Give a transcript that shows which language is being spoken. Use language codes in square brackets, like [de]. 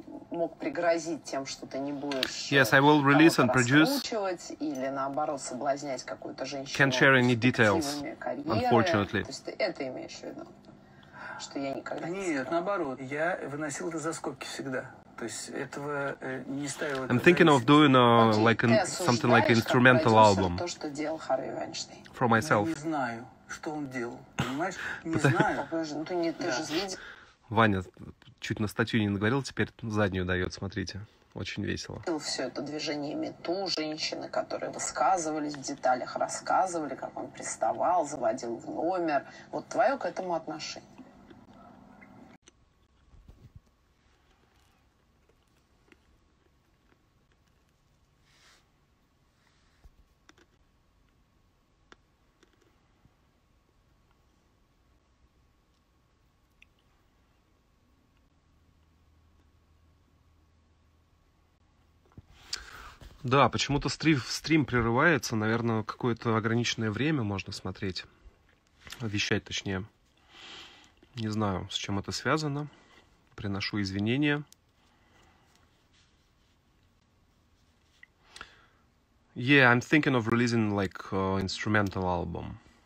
[ru] мог пригрозить тем, что ты не будешь [en] yes, I will release and produce. [ru] Раскручивать или, наоборот, соблазнять какую-то женщину. [en] Can't share any details, unfortunately. [ru] То есть ты это имеешь в виду? Что я никогда нет, не скрывал. Наоборот, я выносил это за скобки всегда. То есть этого не ставил. [en] I'm thinking of doing like something like an instrumental album. [ru] То, что делал Харви Вайнштейн. [en] For myself. [ru] Я не знаю, что он делал. Понимаешь? Не знаю. Ты, не, ты же видел. Ваня чуть на статью не наговорил, теперь заднюю дает, смотрите. Очень весело. Все это движение мету, женщины, которые высказывались в деталях, рассказывали, как он приставал, заводил в номер. Вот твое к этому отношение. Да, почему-то стрим прерывается, наверное, какое-то ограниченное время можно смотреть, вещать точнее. Не знаю, с чем это связано, приношу извинения. [en] Yeah, I'm thinking of releasing like instrumental album.